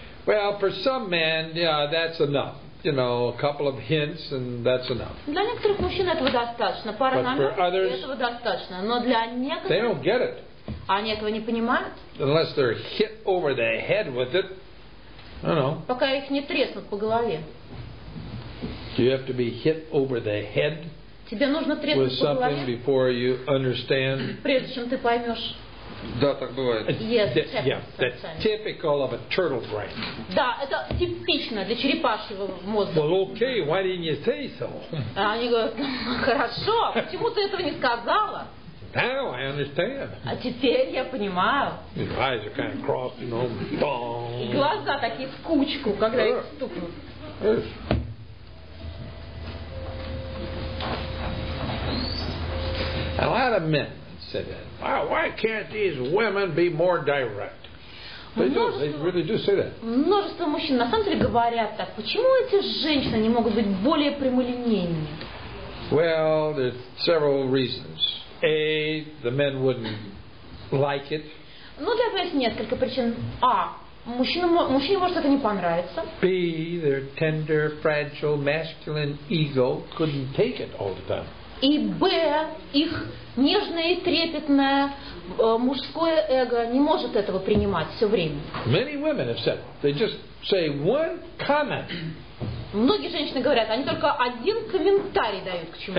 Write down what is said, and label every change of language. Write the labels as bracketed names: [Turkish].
[English] Well, for some men, yeah, that's enough. You know, a couple of hints and that's enough. [Russian] Для некоторых мужчин этого достаточно. Пара намеков этого достаточно. Но для некоторых... [English] They don't get it. [Russian] Они этого не понимают. [English] Unless they're hit over the head with it. I don't know. [Russian] Пока их не треснут по голове. [English] You have to be hit over the head. [Russian] Тебе нужно треснуть [English] with something before you understand. [Russian] Прежде чем ты поймешь. Да, так бывает. [English] That's typical of a turtle brain. [Russian] Да, это типично для черепашьего мозга. [English] Well, okay, why didn't you say so? [Russian] Они говорят, хорошо, почему ты этого не сказала? [English] Now I understand. [Russian] А теперь я понимаю. [English] His eyes are kind of crossed, you know, bang. [Russian] И глаза такие в кучку, когда их стукнут. [English] A lot of men say that. Why can't these women be more direct? They really do say that. [Russian] Множество мужчин на самом деле говорят так. Почему эти женщины не могут быть более прямолинейными? [English] Well, there's several reasons. A, the men wouldn't like it. [Russian] Ну, для этого есть несколько причин. А, мужчине может это не понравиться. [English] B, their tender, fragile, masculine ego couldn't take it all the time. [Russian] и б, их нежное и трепетное мужское эго не может этого принимать все время. [English] Many women have said, they just say one comment. [Russian] Многие женщины говорят, они только один комментарий дают к чему-то.